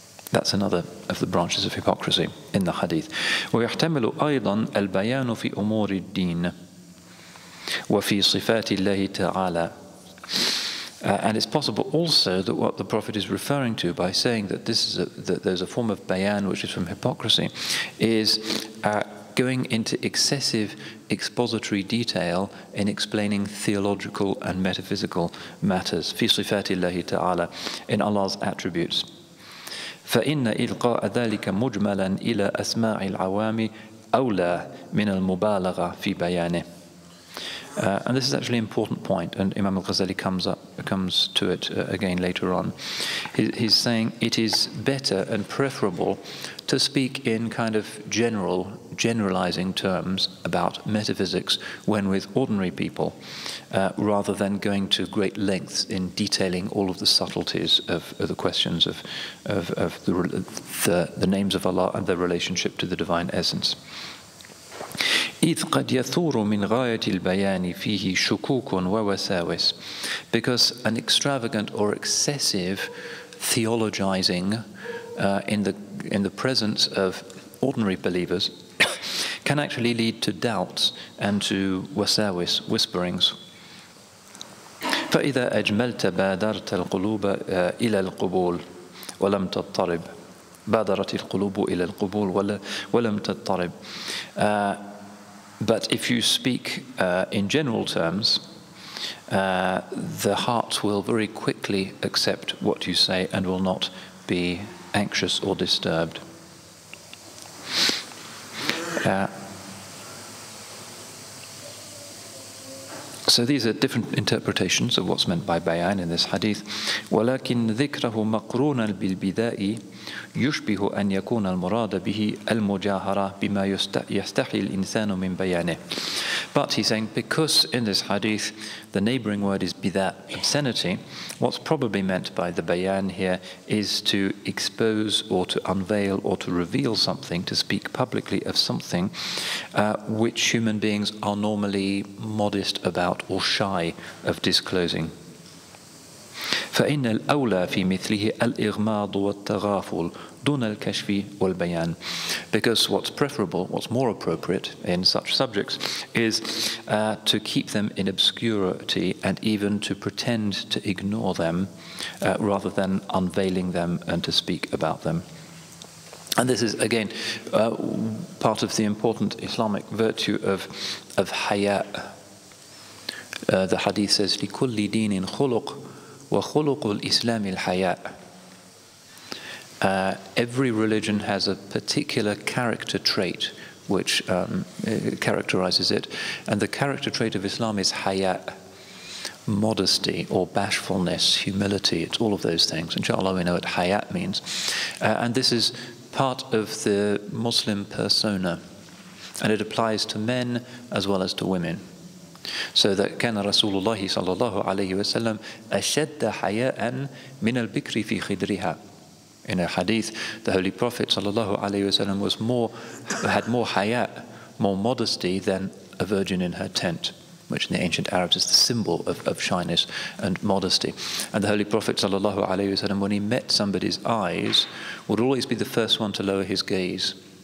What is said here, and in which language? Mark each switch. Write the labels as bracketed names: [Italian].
[English] That's another of the branches of hypocrisy in the hadith. [Arabic] ويحتمل أيضا البيان في أمور الدين وفي صفات الله تعالى. [English] And it's possible also that what the Prophet is referring to by saying that this is a, that there's a form of bayan which is from hypocrisy, is going into excessive expository detail in explaining theological and metaphysical matters. [Arabic] في صفات الله تعالى, [English] in Allah's attributes. [Arabic] فَإِنَّ إِلْقَاءَ ذَلِكَ مُجْمَلًا إِلَى أَسْمَاعِ الْعَوَامِ أَوْلَى مِنَ الْمُبَالَغَةِ فِي بَيَانِهِ. [English] And this is actually an important point, and Imam al-Ghazali comes to it again later on. He's saying it is better and preferable to speak in kind of generalizing terms about metaphysics when with ordinary people, rather than going to great lengths in detailing all of the subtleties of the questions of the names of Allah and their relationship to the divine essence. [Arabic] إذ قد يثور من غاية البيان فيه شكوك ووساوس. [English] Because an extravagant or excessive theologizing in the presence of ordinary believers can actually lead to doubts and to wasawis, whisperings. [Arabic] فإذا أجملت بادرت القلوب إلى القبول ولم تضطرب. بادرت القلوب إلى القبول ولم تضطرب. [English] But if you speak in general terms, the heart will very quickly accept what you say and will not be anxious or disturbed. So these are different interpretations of what's meant by bayan in this hadith. [Arabic] ولكن ذكره مقرونا بالبداء يشبه أن يكون المراد به المجاهرة بما يستحي الإنسان من بيانه. [English] But he's saying, because in this hadith the neighboring word is bidha, obscenity, what's probably meant by the bayan here is to expose or to unveil or to reveal something, to speak publicly of something which human beings are normally modest about or shy of disclosing. [Arabic] فإن الأولى في مثله الإغماض والتغافل دون الكشف والبيان. [English] Because what's preferable, what's more appropriate in such subjects is to keep them in obscurity and even to pretend to ignore them rather than unveiling them and to speak about them. And this is again part of the important Islamic virtue of haya. The hadith says, [Arabic] لِكُلِّ دِينٍ خُلُقْ وَخُلُقُ الْإِسْلَامِ الْحَيَاءِ. [English] Every religion has a particular character trait which characterizes it, and the character trait of Islam is haya, modesty or bashfulness, humility. It's all of those things. Inshallah, we know what haya means. And this is part of the Muslim persona, and it applies to men as well as to women. So that [Arabic] كان رسول الله صلى الله عليه وسلم أشد حياء من البكر في خدرها. [English] In a hadith, the Holy Prophet [Arabic] صلى الله عليه وسلم [English] had more حياء, more modesty than a virgin in her tent, which in the ancient Arabs is the symbol of shyness and modesty. And the Holy Prophet [Arabic] صلى الله عليه وسلم, [English] when he met somebody's eyes, would always be the first one to lower his gaze.